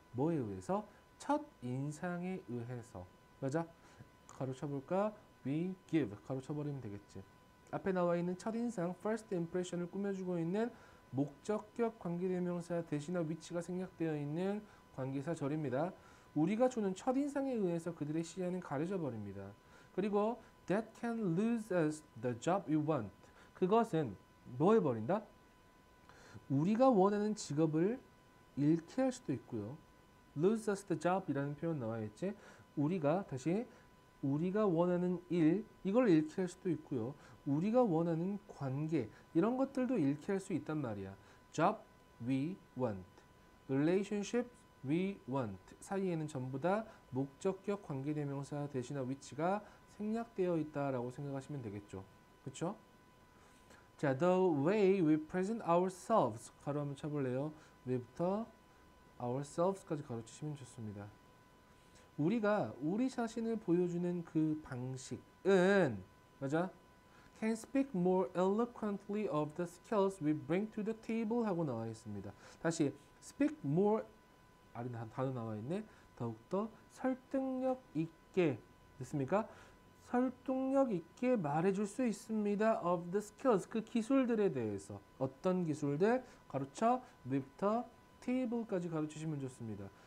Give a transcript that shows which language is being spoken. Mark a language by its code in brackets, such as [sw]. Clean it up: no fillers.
[ko] 뭐에 의해서? 첫 인상에 의해서. 맞아? 가로쳐볼까? [en] We give. [ko] 가로쳐버리면 되겠지. 앞에 나와 있는 첫인상, [en] first impression [ko] 을 꾸며주고 있는 목적격 관계대명사 대신에 위치가 생략되어 있는 관계사절입니다. 우리가 주는 첫인상에 의해서 그들의 시야는 가려져 버립니다. 그리고 [en] that can lose us the job we want. [ko] 그것은 뭐 해버린다? 우리가 원하는 직업을 잃게 할 수도 있고요. [en] lose us the job [ko] 이라는 표현 나와 있지? 우리가 다시 우리가 원하는 일, 이걸 잃게 할 수도 있고요. 우리가 원하는 관계, 이런 것들도 잃게 할수 있단 말이야. [en] Job we want, relationship we want [ko] 사이에는 전부 다 목적격 관계대명사 대신어 위치가 생략되어 있다라고 생각하시면 되겠죠. 그쵸? 자, [en] the way we present ourselves [ko] 가로 한번 쳐볼래요? we부터 ourselves까지 가로치시면 좋습니다. 우리가 우리 자신을 보여주는 그 방식은, 맞아? [en] Can speak more eloquently of the skills we bring to the table [ko] 하고 나와 있습니다. 다시, [en] speak more, [ko] 아니, 단어 나와 있네. 더욱더 설득력 있게, 됐습니까? 설득력 있게 말해줄 수 있습니다. [en] Of the skills, [ko] 그 기술들에 대해서. 어떤 기술들? 가로쳐, we부터 table까지 가르치시면 좋습니다.